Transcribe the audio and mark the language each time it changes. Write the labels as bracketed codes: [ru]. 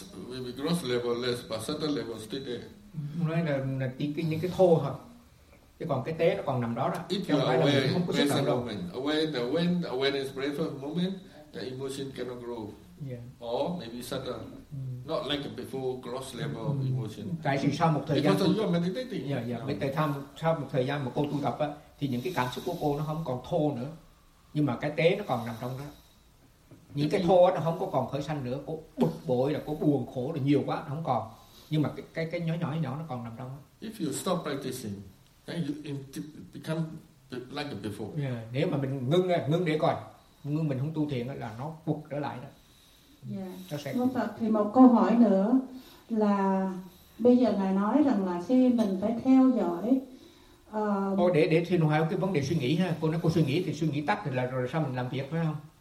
[en] Maybe gross level less, but certain level still there. [vi] Nói là những cái thô thôi. Chứ còn cái té nó còn nằm đó đó. [en] If you are aware, present moment. Awareness, present moment, the emotion cannot grow. Yeah. Or maybe certain. Not like before gross level emotion. [vi] Tại vì sau một thời gian. [en] Because you are meditating. [vi] Sau một thời gian mà cô tu tập á, thì những cái cảm xúc của cô nó không còn thô nữa. Nhưng mà cái té nó còn nằm trong đó. Những cái thô nó không có còn khởi sanh nữa, cô bực bội là cô buồn khổ là nhiều quá, nó không còn. Nhưng mà cái nhỏ nó còn nằm trong đó. [en] If you stop practicing, then you become like before. Yeah. [vi] Nếu mà mình ngưng để coi, ngưng mình không tu thiền là nó bực trở lại đó. [en] Yeah. [vi] Thì một câu hỏi nữa là bây giờ ngài nói rằng là khi mình phải theo dõi. Để thiền hoài cái vấn đề suy nghĩ ha. Cô nói cô suy nghĩ thì suy nghĩ tắt thì là rồi sao mình làm việc phải không?